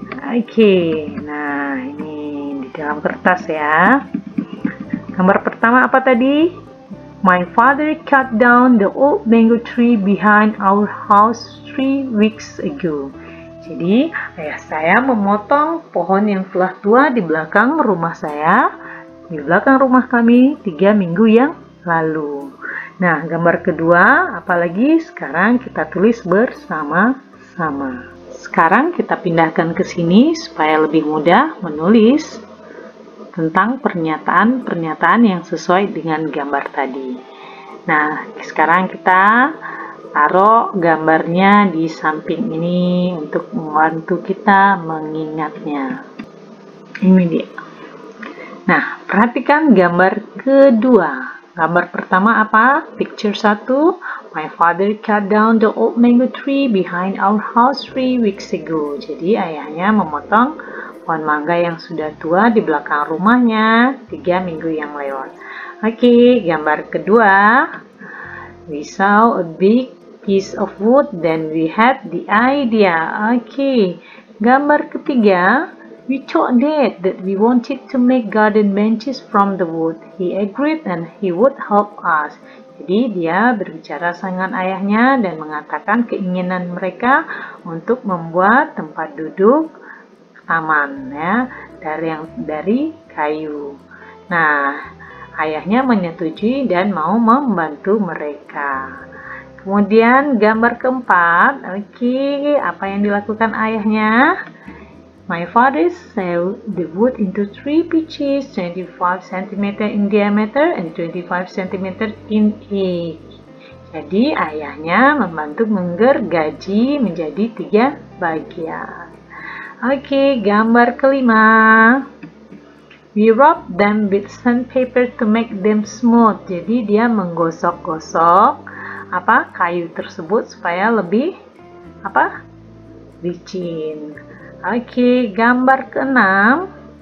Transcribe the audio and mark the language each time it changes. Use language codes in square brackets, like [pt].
[id] Oke, nah ini di dalam kertas ya. Gambar pertama apa tadi? [en] My father cut down the old mango tree behind our house 3 weeks ago. [id] Jadi, ayah saya memotong pohon yang telah tua di belakang rumah saya, di belakang rumah kami 3 minggu yang lalu. Nah, gambar kedua, apalagi sekarang kita tulis bersama-sama. Sekarang kita pindahkan ke sini supaya lebih mudah menulis tentang pernyataan-pernyataan yang sesuai dengan gambar tadi. Nah, sekarang kita taruh gambarnya di samping ini untuk membantu kita mengingatnya. Ini dia. Nah, perhatikan gambar kedua. Gambar pertama apa? [en] Picture 1. My father cut down the old mango tree behind our house 3 weeks ago. [id] Jadi, ayahnya memotong pohon mangga yang sudah tua di belakang rumahnya 3 minggu yang lewat. Oke, gambar kedua. [en] We saw a big piece of wood, then we had the idea. [id] Oke, gambar ketiga. [en] We told Dad that we wanted to make garden benches from the wood. He agreed and he would help us. [id] Jadi dia berbicara dengan ayahnya dan mengatakan keinginan mereka untuk membuat tempat duduk taman ya dari kayu. Nah, ayahnya menyetujui dan mau membantu mereka. Kemudian gambar keempat. Oke, apa yang dilakukan ayahnya? [en] My father saw the wood into 3 pieces, 25 cm in diameter and 25 cm in each. [id] Jadi ayahnya membantu menggergaji menjadi 3 bagian. Oke, gambar kelima. [en] We rubbed them with sandpaper to make them smooth. [id] Jadi dia menggosok-gosok apa kayu tersebut supaya lebih apa licin. Oke, gambar keenam.